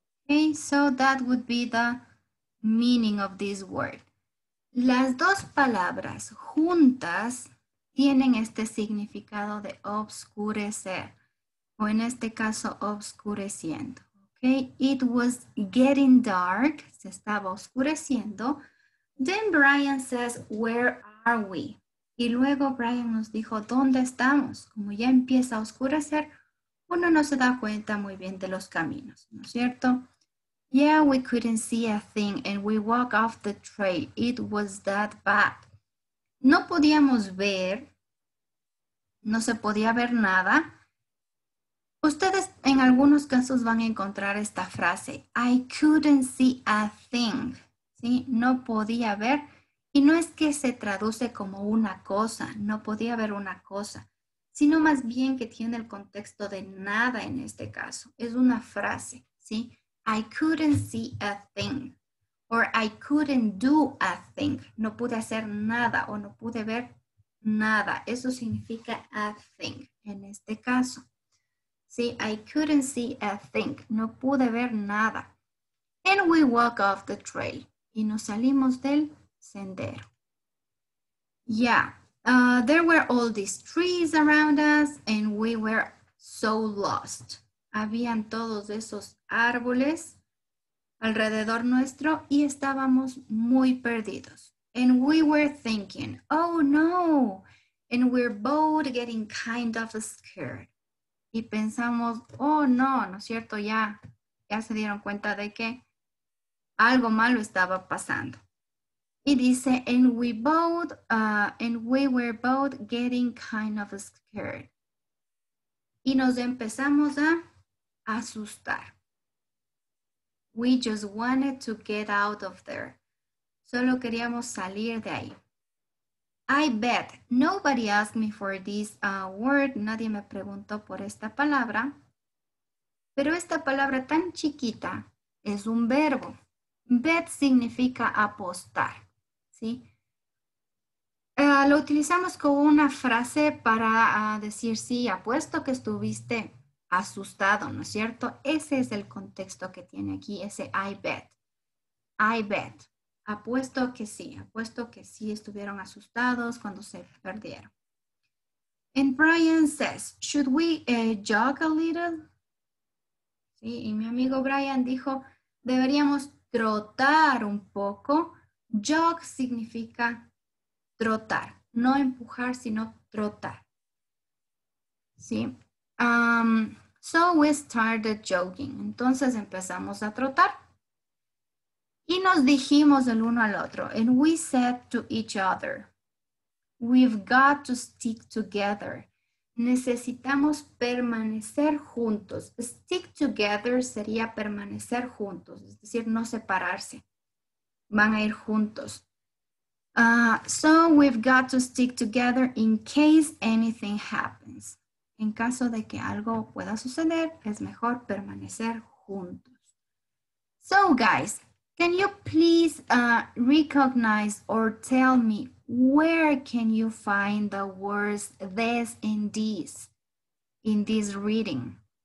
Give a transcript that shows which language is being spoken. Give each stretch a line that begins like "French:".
English: Okay, so that would be the meaning of this word.
Spanish: Las dos palabras juntas tienen este significado de obscurecer, o en este caso, obscureciendo.
English: Okay? It was getting dark,
Spanish: se estaba oscureciendo.
English: Then Brian says, where are we?
Spanish: Y luego Brian nos dijo, ¿dónde estamos? Como ya empieza a oscurecer, uno no se da cuenta muy bien de los caminos, ¿no es cierto?
English: Yeah, we couldn't see a thing and we walked off the trail. It was that bad.
Spanish: No podíamos ver. No se podía ver nada. Ustedes en algunos casos van a encontrar esta frase.
English: I couldn't see a thing.
Spanish: ¿Sí? No podía ver. Y no es que se traduce como una cosa. No podía ver una cosa. Sino más bien que tiene el contexto de nada en este caso. Es una frase. ¿Sí?
English: I couldn't see a thing, or I couldn't do a thing.
Spanish: No pude hacer nada, o no pude ver nada. Eso significa
English: a thing,
Spanish: en este caso. Sí,
English: I couldn't see a thing.
Spanish: No pude ver nada.
English: And we walk off the trail.
Spanish: Y nos salimos del sendero.
English: Yeah, there were all these trees around us, and we were so lost.
Spanish: Habían todos esos árboles alrededor nuestro y estábamos muy perdidos.
English: And we were thinking, oh no, and we're both getting kind of scared.
Spanish: Y pensamos, oh no, ¿no es cierto? Ya se dieron cuenta de que algo malo estaba pasando. Y dice,
English: and we were both getting kind of scared.
Spanish: Y nos empezamos a asustar.
English: We just wanted to get out of there.
Spanish: Solo queríamos salir de ahí.
English: I bet nobody asked me for this word.
Spanish: Nadie me preguntó por esta palabra. Pero esta palabra tan chiquita es un verbo. Bet significa apostar. ¿Sí? Lo utilizamos como una frase para decir, sí, apuesto que estuviste asustado, ¿no es cierto? Ese es el contexto que tiene aquí, ese I bet. I bet. Apuesto que sí estuvieron asustados cuando se perdieron.
English: And Brian says, should we jog a little?
Spanish: Sí, y mi amigo Brian dijo, deberíamos trotar un poco. Jog significa trotar, no empujar, sino trotar. Sí.
English: So we started jogging.
Spanish: Entonces empezamos a trotar. Y nos dijimos el uno al otro.
English: And we said to each other, we've got to stick together.
Spanish: Necesitamos permanecer juntos. Stick together sería permanecer juntos, es decir, no separarse. Van a ir juntos.
English: So we've got to stick together in case anything happens.
Spanish: En caso de que algo pueda suceder, es mejor permanecer juntos.
English: So guys, can you please recognize or tell me where can you find the words this and these in this reading?